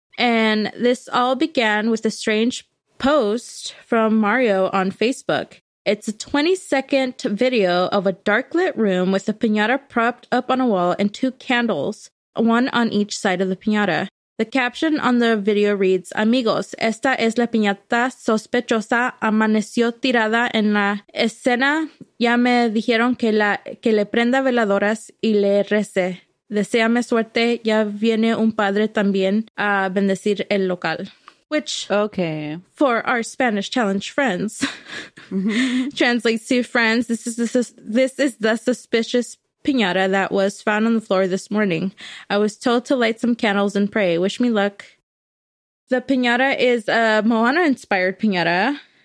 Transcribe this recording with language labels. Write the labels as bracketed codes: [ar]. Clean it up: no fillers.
[en] And this all began with a strange post from Mario on Facebook. It's a 20-second video of a dark-lit room with a piñata propped up on a wall and two candles, one on each side of the piñata. The caption on the video reads, [es] "Amigos, esta es la piñata sospechosa. Amaneció tirada en la escena. Ya me dijeron que le prenda veladoras y le rece. Deseame suerte. Ya viene un padre también a bendecir el local." [en] Which, okay, for our Spanish challenge friends, translates to, "Friends, this is the suspicious piñata that was found on the floor this morning. I was told to light some candles and pray. Wish me luck." The piñata is a Moana-inspired piñata.